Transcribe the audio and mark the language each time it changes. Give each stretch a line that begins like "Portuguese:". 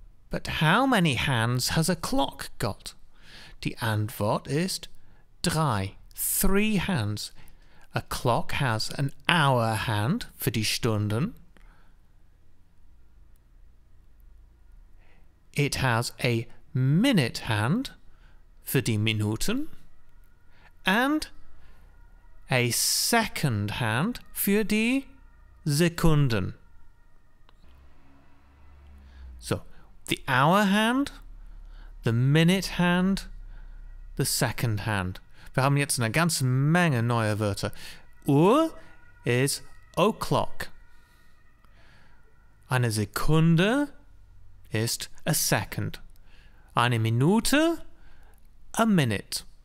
English: But how many hands has a clock got?
German: Die Antwort ist 3.
English: 3 hands. A clock has an hour hand
German: für die Stunden.
English: It has a minute hand
German: für die Minuten.
English: And a second hand
German: für die Sekunden.
English: So, the hour hand, the minute hand, the second hand.
German: Wir haben jetzt eine ganze Menge neuer Wörter.
English: Uhr is o'clock.
German: Eine Sekunde ist
English: a second.
German: Eine Minute,
English: a minute.